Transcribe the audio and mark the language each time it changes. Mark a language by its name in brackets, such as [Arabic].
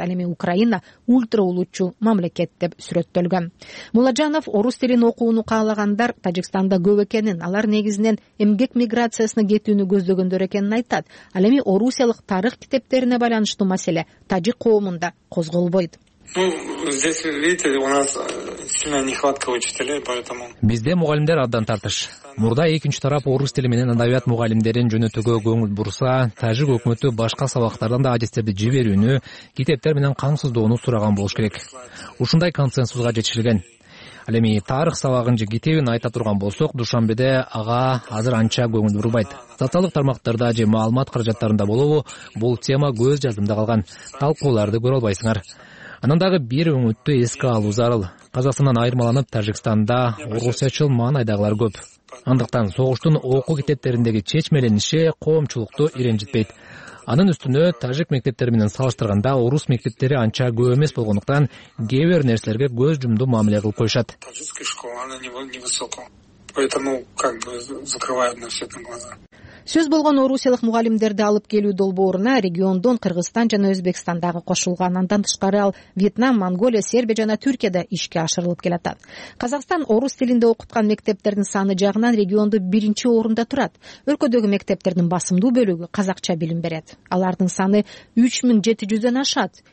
[Kyrgyz] Ал эми Украина ультра улутчул мамлекет деп сүрөттөлгөн. Муладжанов орус тилин окууну каалагандар Тажикстанда көп экенин, алар негизинен эмгек миграциясына кетүүнү көздөгөндөр экенин айтат. Ал эми орусиялык тарых китептерине байланыштуу маселе тажик коомунда козголбойт. [Russian] Ну, здесь, видите, у нас сильная нехватка учителей, поэтому... [Kyrgyz] Бизде мугалимдер абдан тартыш. Мурда экинчи тарап орус тили менен адабият мугалимдерин жөнөтүүгө көңүл бурса, тажик өкмөтү башка сабактардан да адистерди жиберүүнү, китептер менен камсыздоону сураган болуш керек. Ушундай консенсусга жетишилген. Ал эми тарых сабагын же китебин айта турган болсок, Душанбеде ага азыр анча көңүл бурбайт. Социалдык тармактарда же маалымат каражаттарында болобу, бул тема көз жазымда калган. Талкууларды көрө албайсыңар. Анан дагы бир өңүттү эске алуу зарыл. Казакстандан айырмаланып, Тажикстанда орусчачыл маанайдагылар көп. Андыктан согуштун окуу китептериндеги чечмелениши коомчулукту иренжитпейт. Анын үстүнө тажик мектептери менен салыштырганда орус мектептери анча көп эмес болгондуктан кээбир нерселерге көз жумду мамиле кылып коюшат. [Russian] Поэтому как бы закрывают на все это глаза. [Kyrgyz] Сөз болгон орусиялык мугалимдерди алып келүү долбооруна региондон Кыргызстан жана Өзбекстандагы кошулган. Андан тышкары ал Вьетнам, Монголия, Сербия жана Түркияда ишке ашырылып келатат. Казакстан орус тилинде окуткан мектептердин саны жагынан региондо биринчи орунда турат. Өлкөдөгү мектептердин басымдуу бөлүгү казакча билим берет. Алардын саны 3700 ашат.